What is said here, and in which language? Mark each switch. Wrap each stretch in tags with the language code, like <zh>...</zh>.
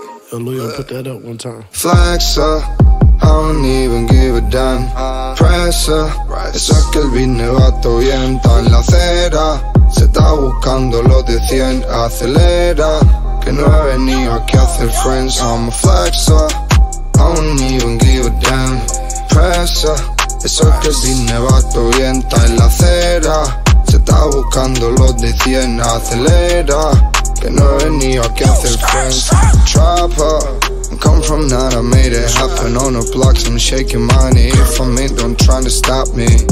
<en>Yo, Luyo, put that up one time. Flex up, I don't even give a damn. Press up,</en> <es>eso es que el business va todo bien. Está en la acera, se está buscando los de 100. Acelera, que no he venido aquí a hacer friends.</es> <en>I'm a flex up, I don't even give a damn. Press up.</en> <es>Eso es que el business va todo bien, está en la acera. Se está buscando los de 100, acelera. Que no he venido aquí a hacer friends.</es> <en>Trap up, I come from that, I made it happen. On the blocks, I'm shaking money. If I'm in, don't try to stop me.</en>